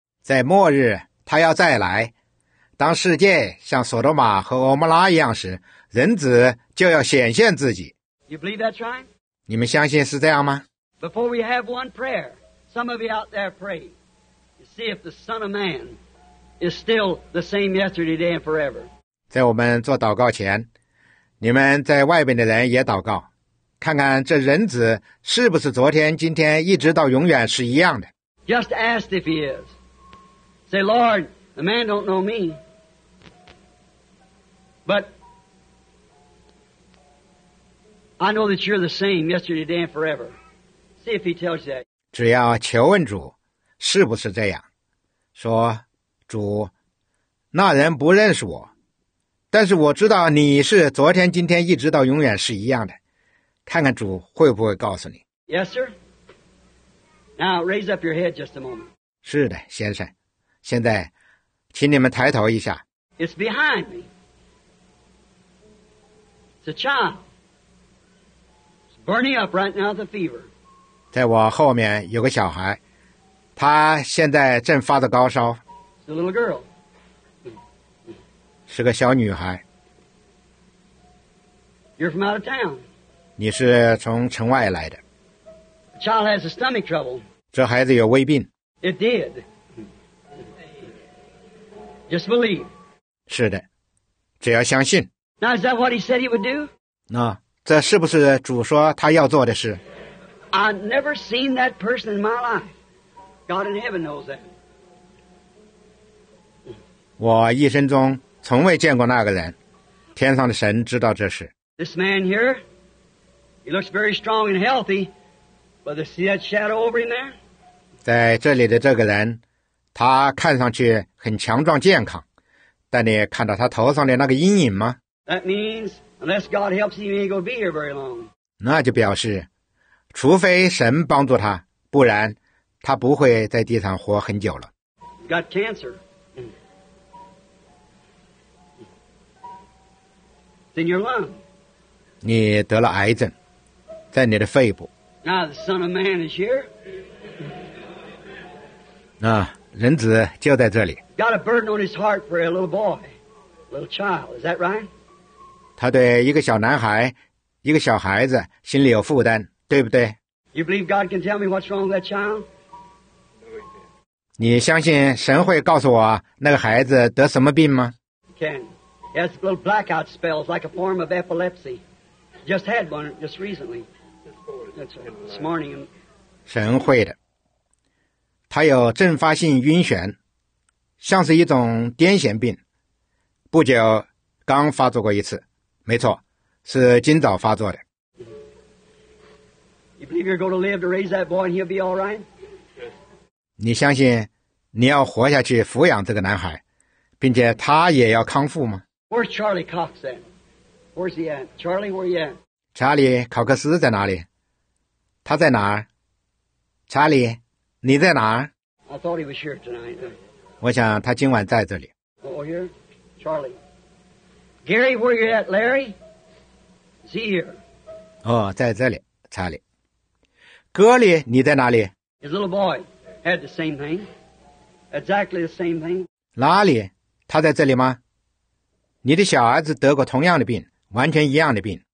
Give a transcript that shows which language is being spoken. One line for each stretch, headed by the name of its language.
Chinese: 在末日，他要再来，当世界像索多玛和俄摩拉一样时。人子就要显现自己。
English: You believe that's right?
Chinese: 你们相信是这样吗？
English: Before we have one prayer, some of you out there pray to see if the Son of Man is still the same yesterday, today, and forever.
Chinese: 在我们做祷告前，你们在外边的人也祷告，看看这人子是不是昨天、今天一直到永远是一样的。
English: Just ask if he is. Say, Lord, the man don't know me, but I know that you're the same yesterday, today, and forever. See if he tells you that.
Chinese: 只要求问主，是不是这样？说，主，那人不认识我，但是我知道你是昨天、今天一直到永远是一样的。看看主会不会告诉你。
English: Yes, sir. Now raise up your head just a moment.
Chinese: 是的，先生。现在，请你们抬头一下。
English: It's behind me. It's a child. Burning up right now the fever.
Chinese: 在我后面有个小孩，他现在正发着高烧。
English: It's a little girl.
Chinese: 是个小女孩。
English: You're from out of town.
Chinese: 你是从城外来的。
English: The child has a stomach trouble.
Chinese: 这孩子有胃病。
English: It did. Just believe.
Chinese: 是的，只要相信。
English: Now is that what he said he would do? No.
Chinese: 这是不是主说他要做的事？
English: I've never seen that person in my life. God in heaven knows that.
Chinese: 我一生中从未见过那个人，天上的神知道这事。
English: This man here, he looks very strong and healthy, but you see that shadow over him there?
Chinese: 在这里的这个人，他看上去很强壮健康，但你看到他头上的那个阴影吗？
English: That means. Unless God helps him, he ain't gonna be here very long.
Chinese: 那就表示，除非神帮助他，不然他不会在地上活很久了。
English: Got cancer. It's in your lung.
Chinese: 你得了癌症，在你的肺部。
English: Now the Son of Man is here.
Chinese: 那人子就在这里。
English: Got a burden on his heart for a little boy, a little child. Is that right?
Chinese: 他对一个小男孩，一个小孩子心里有负担，对不对？
English: You believe God can tell me what's wrong with that child?
Chinese: 你相信神会告诉我那个孩子得什么病吗？
English: Can. He has little blackout spells like a form of epilepsy. Just had one just recently. This morning.
Chinese: 神会的。他有阵发性晕眩，像是一种癫痫病，不久刚发作过一次。没错，是今早发作的。
English: You believe you're going to live to raise that boy and he'll be all right?
Chinese: 你相信你要活下去抚养这个男孩，并且他也要康复吗？
English: Where's Charlie Cox at? Where's he at? Charlie, where he at?
Chinese: 查理·考克斯在哪里？他在哪儿？查理，你在哪儿？
English: I thought he was here tonight.
Chinese: 我想他今晚在这里。
English: Oh, here? Charlie. Gary, where you at? Larry? Is he here?
Chinese: 哦，在这里，查理。哥里，你在哪里？
English: His little boy had the same thing. Exactly the same thing.
Chinese: 拉里，他在这里吗？你的小儿子得过同样的病，完全一样的病。